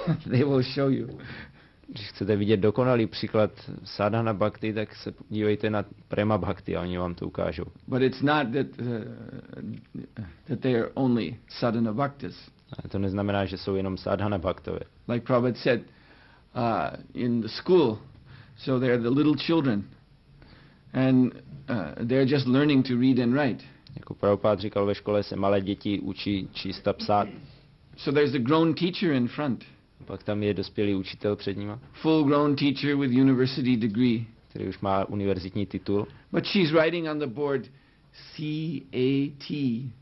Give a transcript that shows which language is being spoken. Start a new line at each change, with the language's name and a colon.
English: They will show you.
Czech: Když chcete vidět dokonalý příklad sadhana bhakti, tak se dívejte na prema bhakti a oni vám to ukážou.
English: But it's not that they are only sadhana bhaktas.
Czech: Ale to neznamená, že jsou jenom sadhana bhaktové.
English: Like Prabhupada said in the school, so they are the little children. And they're just learning to read and write.
Czech: Jako Prabhupád říkal, ve škole se malé děti učí číst a psát.
English: So there's a grown teacher in front.
Czech: A pak tam je dospělý učitel před nima.
English: Full grown teacher with university degree.
Czech: Který už má univerzitní titul.
English: But she's writing on the board C-A-T.